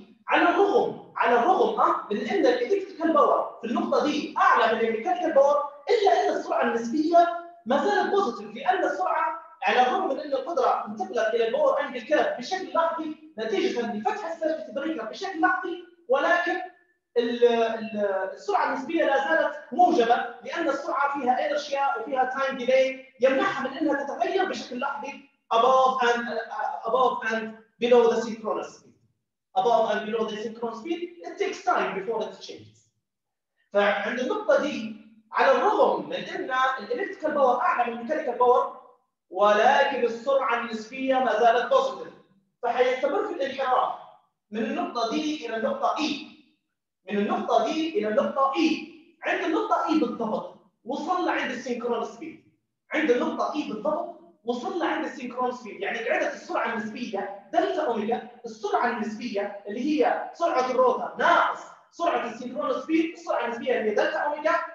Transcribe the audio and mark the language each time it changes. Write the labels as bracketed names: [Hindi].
[Arabic] على الرغم من أن الإلكتريكال باور في النقطة D أعلى من الميكانيكال باور إلا أن السرعة النسبية ما زالت بوزيتيف لأن السرعة على الرغم من أن القدرة انتقلت إلى الباور أنجل كيرف بشكل لحظي نتيجة لفتح السيركت بريكر بشكل لحظي ولكن السرعة النسبية لا زالت موجبة لأن السرعة فيها إنرشيا وفيها تايم ديلي يمنعها من أنها تتغير بشكل لحظي [English] above and below the synchronous speed. Above and below the synchronous speed, it takes time before it changes. [Arabic] فعند النقطة دي على الرغم من أن الإلكتريكال باور أعلى من الميكانيكال باور ولكن السرعة النسبية ما زالت بوزيتيف فحيستمر في الانحراف من النقطة دي إلى النقطة E من النقطة دي إلى النقطة E عند النقطة E بالضبط وصلنا عند السينكرونس سبيد عند النقطة E بالضبط وصلنا عند السينكرون سبيد يعني قعدت السرعه النسبيه دلتا اوميجا السرعه النسبيه اللي هي سرعه الروتر ناقص سرعه السينكرون سبيد السرعه النسبيه اللي هي دلتا اوميجا